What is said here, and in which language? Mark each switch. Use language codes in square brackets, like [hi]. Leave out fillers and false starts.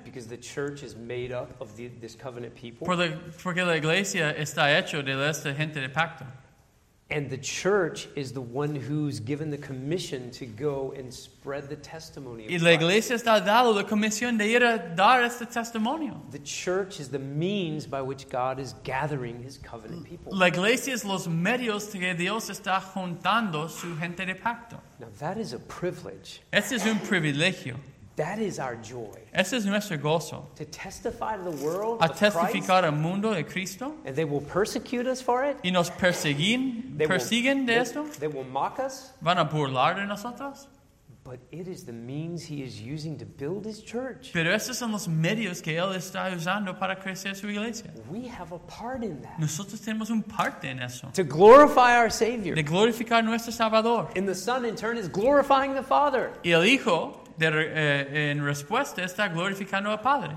[en] Because the church is made up of this covenant people. [es] Porque la iglesia está hecho de esta gente de pacto. [en] And the church is the one who's given the commission to go and spread the testimony of [es] Christ. Y la iglesia está dado la comisión de ir a dar este testimonio. [en] The church is the means by which God is gathering his covenant people. [es] La iglesia es los medios que Dios está juntando su gente de pacto. [en] Now that is a privilege. [es] Ese es un privilegio. [en] That is our joy. [es] Ese es nuestro gozo. [en] To testify to the world [es] a testificar al mundo de Cristo. [en] And they will persecute us for it. [es] Y nos persiguen de esto. [en] They will mock us. [es] Van a burlar de nosotros. [en] But it is the means he is using to build his church. [es] Pero estos son los medios que él está usando para crecer su iglesia. [en] We have a part in that. [es] Nosotros tenemos un parte en eso. [en] To glorify our Savior. [es] De glorificar nuestro Salvador. [en] And the Son, in turn, is glorifying the Father. [es] Y el Hijo, en respuesta, está glorificando al Padre.